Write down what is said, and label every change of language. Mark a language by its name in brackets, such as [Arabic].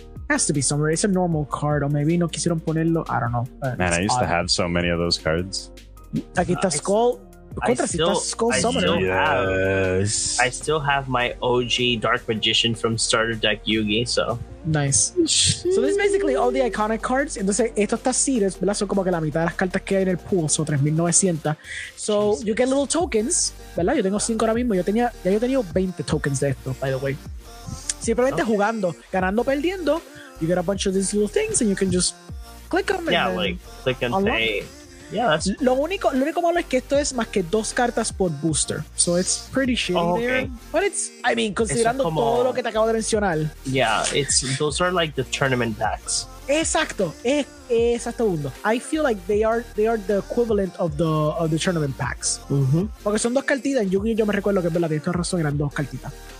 [English] Has to be somewhere. It's a normal card, or maybe [Spanish] no quisieron ponerlo. [English] I don't know. Man, I used to have so many of those cards. [Spanish] Aquí está Skull. [English] I still have my OG Dark Magician from starter deck Yugi, so. Nice. So this is basically all the iconic cards. [Spanish] Entonces, esto está seeded, ¿verdad? Son como que la mitad de las cartas que hay en el pool, son 3,900. [English] So, Jesus. You get little tokens, [Spanish] ¿verdad? Yo tengo 5 ahora mismo. Yo tenía 20 tokens de esto, [English] by the way. [Spanish] Simplemente jugando, ganando, perdiendo, [English] you get a bunch of these little things and you can just click them. Yeah, and like, click and pay. Yeah, that's... [Spanish] Lo único malo es que esto es más que dos cartas por booster. [English] So it's pretty shitty there. But [Spanish] considerando como... todo lo que te acabo de mencionar. [English] Yeah, those are like the tournament packs. [Spanish] Exacto. Exacto, mundo. [English] I feel like they are the equivalent of the tournament packs. Mm-hmm. [Spanish] Porque son dos cartitas. Yo me recuerdo que es verdad, tienes toda razón, eran dos cartitas.